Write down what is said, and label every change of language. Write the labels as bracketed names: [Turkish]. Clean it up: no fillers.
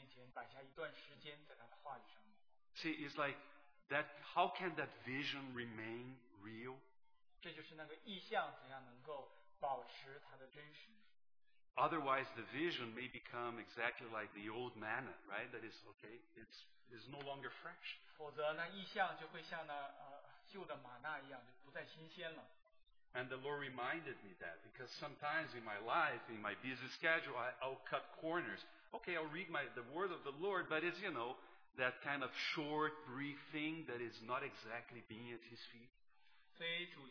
[Chinese] 主就是提醒我说，我们每一天是应当认真的在主面前摆下一段时间在他的话语上面。See, [English] it's like that. How can that vision remain real? [Chinese] 这就是那个意象怎样能够保持它的真实。 [English] Otherwise, the vision may become exactly like the old manna, right? That is okay. It's no longer fresh. [Chinese] 否则，那意象就会像那旧的玛纳一样，就不再新鲜了。 [English] And the Lord reminded me that because sometimes in my life, in my busy schedule, I'll cut corners. Okay, I'll read the word of the Lord, but it's, you know, that kind of short, brief thing that is not exactly being at his feet.